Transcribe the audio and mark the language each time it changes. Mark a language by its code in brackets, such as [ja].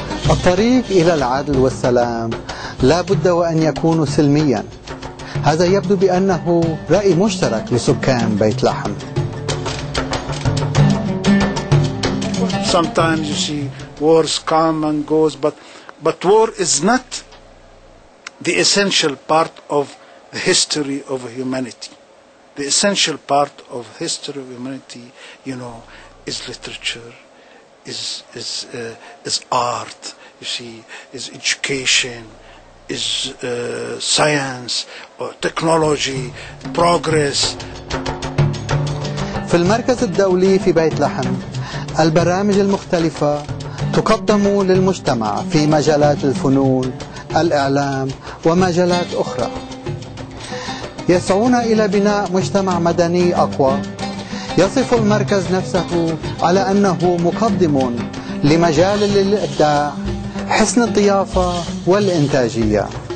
[ar] الطريق إلى العدل والسلام لا بد وأن يكون سلميا. هذا يبدو بأنه رأي مشترك لسكان بيت لحم. [en] Sometimes you see wars come and goes, but war is not the essential part of the history of humanity. The essential part of history of humanity, you know, is literature, is art. You see, is education, is science, or technology, progress. [ar] في المركز الدولي في بيت لحم، البرامج المختلفة تقدم للمجتمع في مجالات الفنون، الإعلام ومجالات أخرى. يسعون إلى بناء مجتمع مدني أقوى. يصف المركز نفسه على أنه مقدم لمجال للإبداع، حسن الضيافة والإنتاجية.